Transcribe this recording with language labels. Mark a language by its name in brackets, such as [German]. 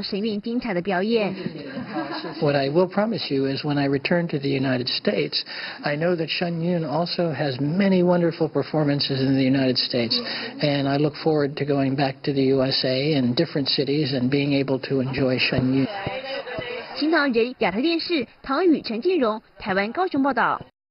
[Chinese] 康胜如表示，神韵巡回世界各地，当他回到故乡，也不会忘记前往欣赏神韵精彩的表演。What [English] I will promise you is when I return to the United States, I know that Shen Yun also has many wonderful performances in the United States, and I look forward to going back to the USA in different cities and being able to enjoy Shen [Chinese] Yun。新唐人亚太电视唐雨、陈静荣，台湾高雄报道。